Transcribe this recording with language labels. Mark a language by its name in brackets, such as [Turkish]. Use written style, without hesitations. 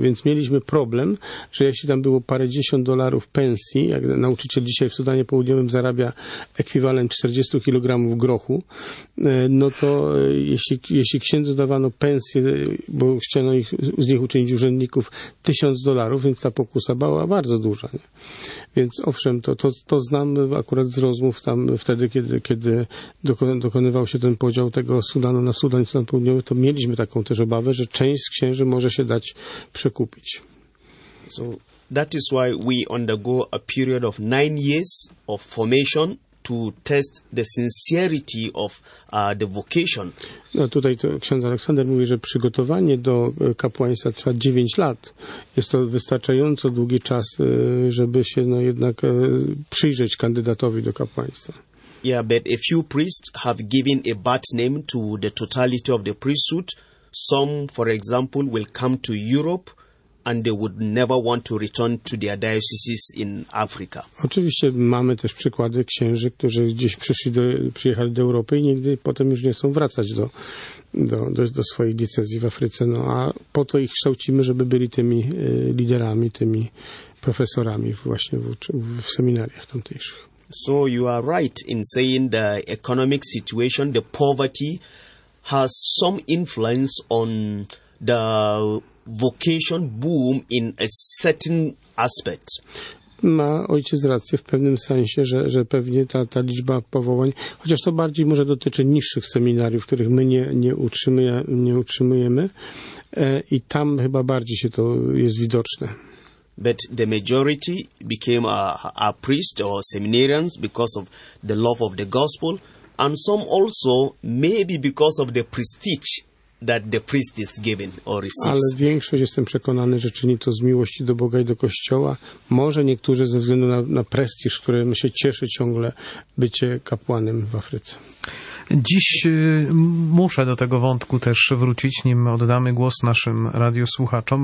[Polish] Więc mieliśmy problem, że jeśli tam było parędziesiąt dolarów pensji, jak nauczyciel dzisiaj w Sudanie Południowym zarabia ekwiwalent 40 kg grochu, no to jeśli księdzu dawano pensję, bo chciano ich z nich uczynić urzędników, 1000 dolarów, więc ta pokusa była bardzo duża. Więc owszem, to znam akurat z rozmów tam wtedy, kiedy dokonywał się ten podział tego Sudanu na Sudan i Sudan Południowy, to mieliśmy taką też obawę, że część z księży może się dać przekupić. [English] So that is why we undergo a period of 9 years of formation to test the sincerity of the vocation. [Polish] No tutaj to ksiądz Aleksander mówi, że przygotowanie do kapłaństwa trwa 9 lat. Jest to wystarczająco długi czas, żeby się no jednak przyjrzeć kandydatowi do kapłaństwa. [English] Yeah, but a few priests have given a bad name to the totality of the priesthood. Some, for example, will come to Europe and they would never want to return to their dioceses in Africa. [Polish] Oczywiście mamy też przykłady księży, którzy gdzieś przyjechali do Europy i nigdy potem już nie chcą wracać do swojej diecezji w Afryce. No a po to ich kształcimy, żeby byli tymi liderami, tymi profesorami właśnie w seminariach tamtejszych. [English] So you are right in saying the economic situation, the poverty has some influence on the vocation boom in a certain aspect. [Polish] Ma ojciec rację w pewnym sensie, że pewnie ta liczba powołań, chociaż to bardziej może dotyczy niższych seminariów, których my nie utrzymujemy, i tam chyba bardziej się to jest widoczne. [English] But the majority became a priest or seminarians because of the love of the gospel, and some also maybe because of the prestige that the priest is given or receives. [Polish] Ale większość, jestem przekonany, że czyni to z miłości do Boga i do Kościoła. Może niektórzy ze względu na prestiż, którym się cieszy ciągle bycie kapłanem w Afryce. Dziś muszę do tego wątku też wrócić, nim oddamy głos naszym radiosłuchaczom.